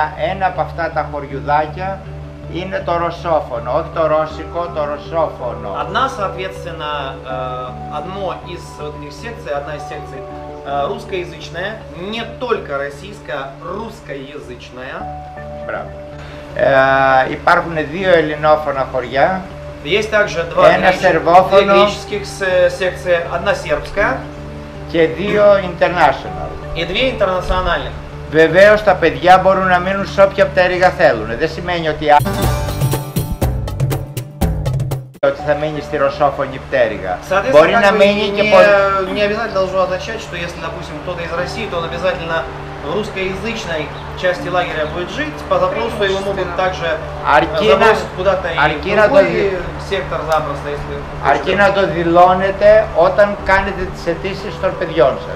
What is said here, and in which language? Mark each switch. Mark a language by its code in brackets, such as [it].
[el] Ένα από αυτά τα χωριουδάκια είναι το ρωσόφωνο, όχι το ρωσικό, το ρωσόφωνο. [ru] Одна, соответственно, одно из вот этих секций, одна из секций, русскоязычная, не только российская, русскоязычная. Браво. [el] Υπάρχουν δύο ελληνόφωνα χωριά. [ru] Есть также два греческих секции, одна сербская. [el] Και δύο international. [ru] И две интернациональных. [el] Βεβαίως τα παιδιά μπορούν να μείνουν σε όποια πτέρυγα θέλουν. Δεν σημαίνει ότι... ότι θα μείνει στη ρωσόφωνη πτέρυγα. Μπορεί να μείνει και πολύ. [ru] Не обязательно должно означать, что если, допустим, кто-то из России, то он обязательно в русскоязычной части лагеря будет жить, по запросу ему могут также забросить куда-то и в другой сектор запросто, если... [el] Аркина то дилонете, отан канете сетиси сторпедионсе.